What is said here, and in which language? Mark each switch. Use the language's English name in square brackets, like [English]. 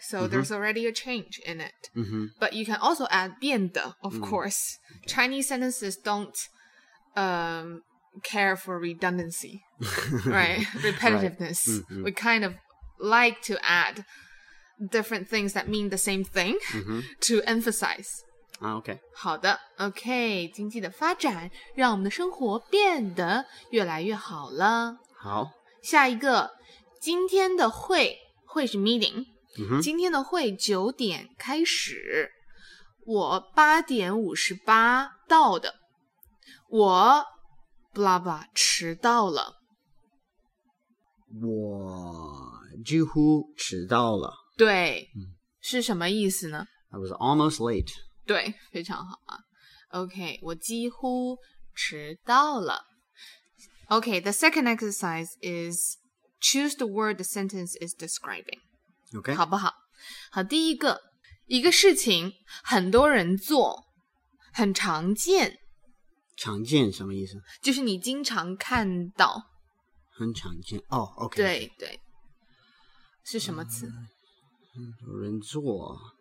[English] So there's already a change in it. But you can also add 变得 of course. Okay. Chinese sentences don't care for redundancy, right? Repetitiveness. Right. We kind of like to add different things that mean the same thing to emphasize. Okay. [Chinese] 好的 okay, 经济的发展让我们的生活变得越来越好了。好。下一个今天的会是 meeting、今天的会九点开始我8:58到的我 blah blah 迟到了我几乎迟到了对是什么意思呢 [English] I was almost late [Chinese] 对非常好啊 OK 我几乎迟到了 [English] Okay, the second exercise is choose the word the sentence is describing. Okay. [Chinese] 好不好？好，第一个，一个事情很多人做，很常见。常见什么意思？就是你经常看到。很常见哦、okay. 对对。是什么词？很多人做。